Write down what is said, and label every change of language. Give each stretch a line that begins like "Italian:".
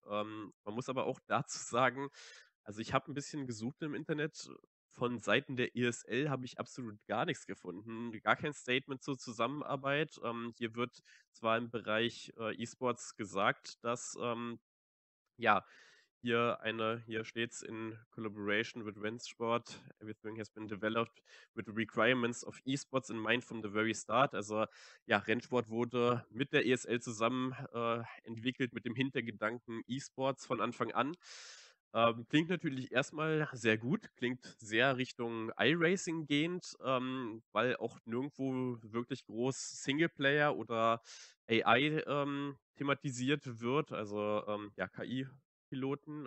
German: Man muss aber auch dazu sagen, also ich habe ein bisschen gesucht im Internet, von Seiten der ESL habe ich absolut gar nichts gefunden, gar kein Statement zur Zusammenarbeit. Hier wird zwar im Bereich E-Sports gesagt, dass ja, hier steht es
English: in Collaboration with Rennsport. Everything has been developed with the requirements of eSports in mind from the very start.
German: Also ja, Rennsport wurde mit der ESL zusammen entwickelt, mit dem Hintergedanken eSports von Anfang an. Klingt natürlich erstmal sehr gut, klingt sehr Richtung iRacing gehend, weil auch nirgendwo wirklich groß Singleplayer oder AI thematisiert wird, also ja, KI-Piloten.